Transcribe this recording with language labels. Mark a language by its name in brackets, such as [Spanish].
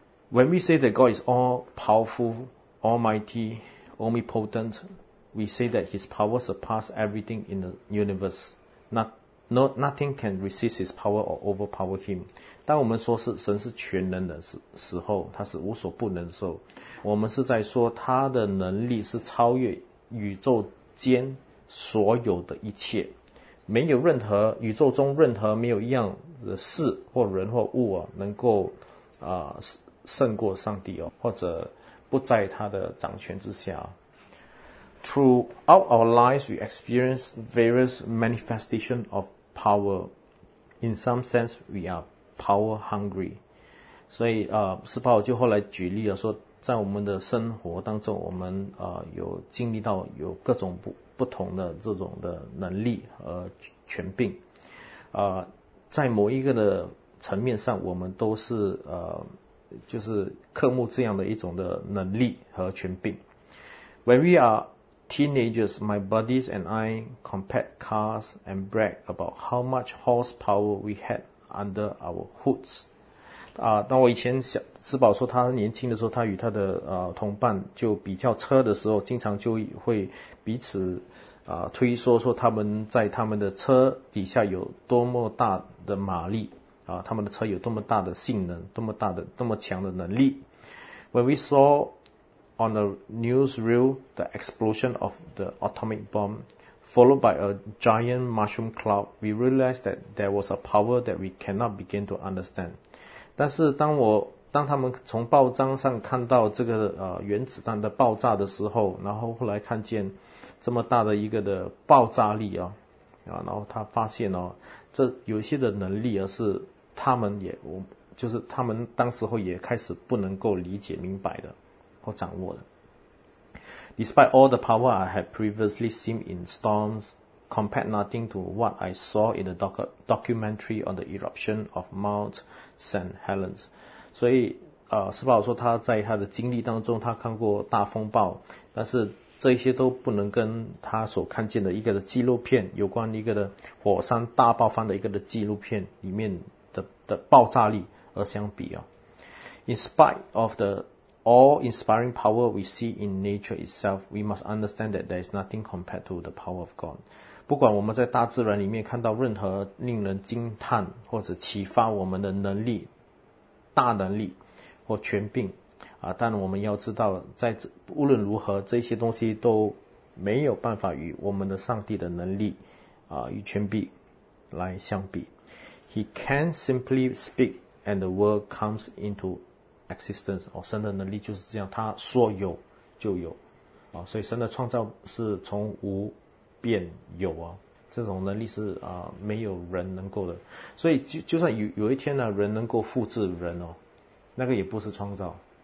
[English] When we say that God is all powerful, almighty, omnipotent, we say that his power surpasses everything in the universe. Nothing can resist his power or overpower him. [Chinese] 当我们说是神是全能的时候，他是无所不能的时候，我们是在说他的能力是超越宇宙间所有的一切，没有任何宇宙中任何没有一样的事或人或物啊，能够胜过上帝哦，或者不在他的掌权之下。 [English] Throughout our lives, we experience various manifestations of power. In some sense, we are power hungry. [Chinese] 所以斯帕尔就后来举例了说，在我们的生活当中，我们有经历到有各种不同的这种的能力和权柄，在某一个的层面上，我们都是就是渴慕这样的一种的能力和权柄。 [English] When we are teenagers, my buddies and I compared cars and brag about how much horsepower we had under our hoods. [Chinese] 当我以前斯宝说他年轻的时候，他与他的同伴就比较车的时候，经常就会彼此推说他们在他们的车底下有多么大的马力。他们的车有多么大的性能，多么大的、多么强的能力。 [English] When we saw on the newsreel the explosion of the atomic bomb, followed by a giant mushroom cloud, we realized that there was a power that we cannot begin to understand. [Chinese] 但是当他们从报章上看到这个原子弹的爆炸的时候，然后后来看见这么大的一个的爆炸力啊，然后他发现哦，这有一些的能力而是他们也，我就是他们当时候也开始不能够理解明白的或掌握的。 [English] Despite all the power I had previously seen in storms, compared nothing to what I saw in the documentary on the eruption of Mount St. Helens. [Chinese] 所以斯巴鲁说他在他的经历当中，他看过大风暴，但是这些都不能跟他所看见的一个的纪录片，有关一个的火山大爆发的一个的纪录片里面的爆炸力而相比啊。 [English] In spite of the awe-inspiring power we see in nature itself, we must understand that there is nothing compared to the power of God. [Chinese] 不管我们在大自然里面看到任何令人惊叹或者启发我们的能力、大能力或权柄啊，但我们要知道，在无论如何，这些东西都没有办法与我们的上帝的能力与权柄来相比。 [English] He can simply speak and the world comes into existence. [Chinese] 哦，神的能力就是这样，他说有就有。所以神的创造是从无变有啊，这种能力是没有人能够的。所以就算有一天呢，人能够复制人哦，那个也不是创造。